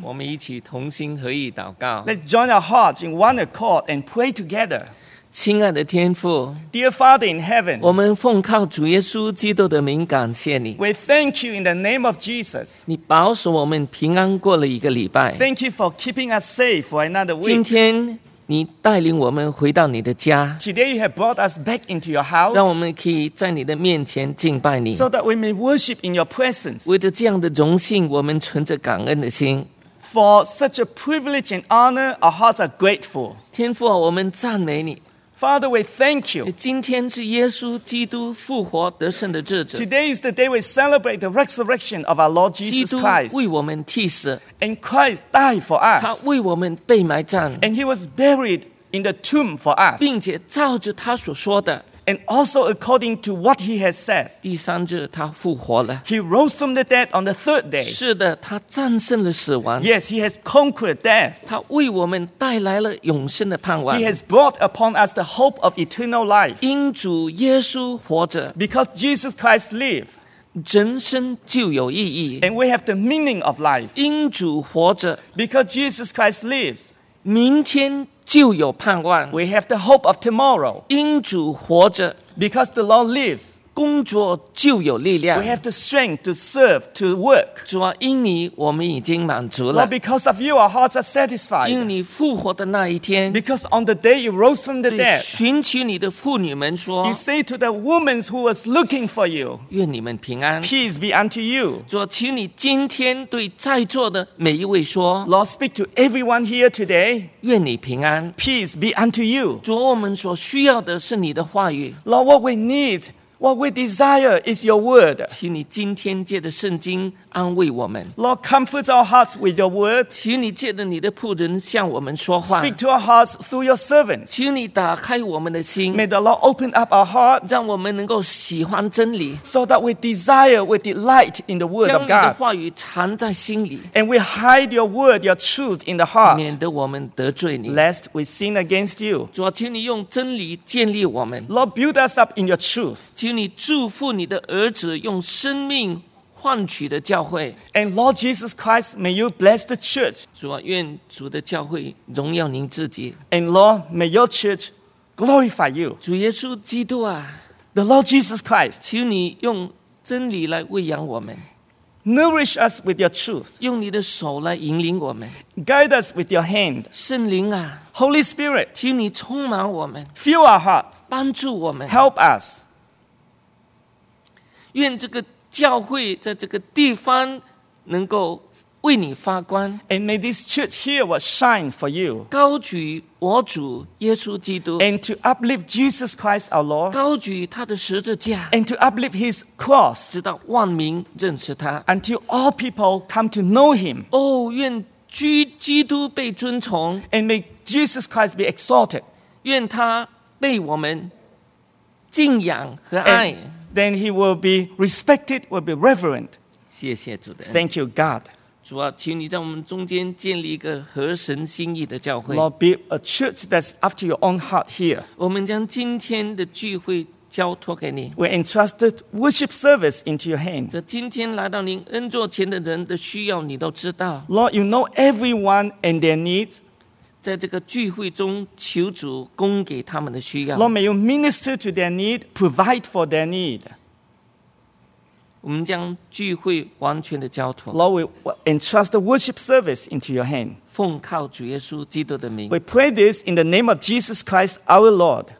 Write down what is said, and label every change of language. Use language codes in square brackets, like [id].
[zh] 我们一起同心合意祷告 [en] Let's join our hearts in one accord and pray together. [zh] 亲爱的天父 [en] Dear Father in heaven, [zh] 我们奉靠主耶稣基督的名感谢你 [en] We thank you in the name of Jesus. [zh] 你保守我们平安过了一个礼拜 [en] Thank you for keeping us safe for another week. [zh] 今天你带领我们回到你的家 [en] Today you have brought us back into your house [zh] 让我们可以在你的面前敬拜你 [en] So that we may worship in your presence [zh] 为着这样的荣幸我们存着感恩的心 [en] For such a privilege and honor our hearts are grateful [zh] 天父啊我们赞美你 [en] Father we thank you [zh] 今天是耶稣基督复活得胜的日子 [en] Today is the day we celebrate the resurrection of our Lord Jesus Christ [zh] 基督为我们替死 [en] And Christ died for us [zh] 他为我们被埋葬 [en] And he was buried in the tomb for us [zh] 并且照着他所说的 [en] And also according to what he has said. [zh] 第三日他复活了。 [en] He rose from the dead on the third day. [zh] 是的，他战胜了死亡。 [en] Yes, he has conquered death. [zh] 他为我们带来了永生的盼望。 [en] He has brought upon us the hope of eternal life. [zh] 因主耶稣活着。 [en] Because Jesus Christ lived. [zh] 人生就有意义。 [en] And we have the meaning of life. [zh] 因主活着。 [en] Because Jesus Christ lives. [zh] 明天就有盼望。 [en] We have the hope of tomorrow. [zh] 因主活着。 [en] Because the Lord lives. [zh] 工作就有力量。 [en] We have the strength to serve, to work. [zh] 主啊，因你我们已经满足了。 [en] Lord, because of you, our hearts are satisfied. [zh] 因你复活的那一天。 [en] Because on the day you rose from the dead. [zh] 寻求你的妇女们说。 [en] You say to the women who was looking for you. [zh] 愿你们平安。 [en] Peace be unto you. [zh] 主啊，请你今天对在座的每一位说。 [en] Lord, speak to everyone here today. [zh] 愿你平安。 [en] Peace be unto you. [zh] 主啊，我们所需要的是你的话语。 [en] Lord, what we need. What we desire is your word. [zh] 请你今天借着圣经安慰我们。 [en] Lord, comfort our hearts with your word. [zh] 请你借着你的仆人向我们说话。 [en] Speak to our hearts through your servant. [zh] 请你打开我们的心。 [en] May the Lord open up our hearts. [zh] 让我们能够喜欢真理。 [en] So that we desire, we delight in the word of God. [zh] 将你的话语藏在心里。 [en] And we hide your word, your truth in the heart. [zh] 免得我们得罪你。 [en] Lest we sin against you. [zh] 主啊，请你用真理建立我们。 [en] Lord, build us up in your truth. [zh] 你祝福你的儿子用生命换取的教会。 [en] And Lord Jesus Christ, may you bless the church. [zh] 主啊，愿主的教会荣耀您自己。 [en] And Lord, may your church glorify you. [zh] 主耶稣基督啊 [en] ，The Lord Jesus Christ, [zh] 求你用真理来喂养我们。 [en] Nourish us with your truth. [zh] 用你的手来引领我们。 [en] Guide us with your hand. [zh] 圣灵啊 [en] ，Holy Spirit, [zh] 求你充满我们。 [en] Fill our hearts. [zh] 帮助我们。 [en] Help us. [zh] 愿这个教会在这个地方能够为你发光。 [en] And may this church here will shine for you. [zh] 高举我主耶稣基督。 [en] And to uplift Jesus Christ our Lord. [zh] 高举他的十字架。 [en] And to uplift his cross. [zh] 直到万民认识他。 [en] Until all people come to know him. [zh] 哦，愿基督被尊崇。 [en] And may Jesus Christ be exalted. [zh] 愿他被我们敬仰和爱。 [en] Then he will be respected, will be reverent. [zh] 谢谢主的。 [en] Thank you, God. [zh] 主啊，请你在我们中间建立一个合神心意的教会。 [en] Lord, build a church that's after your own heart here. [zh] 我们将今天的聚会交托给你。 [en] We entrusted worship service into your hand. [zh] 这今天来到您恩座前的人的需要，你都知道。 [en] Lord, you know everyone and their needs. [zh] 在这个聚会中，求主供给他们的需要。 [en] Lord, may you minister to their need, provide for their need. [zh] 我们将聚会完全的交托。 [en] Lord, we entrust the worship service into your hand. [zh] 奉靠主耶稣基督的名。 [en] We pray this in the name of Jesus Christ, our Lord.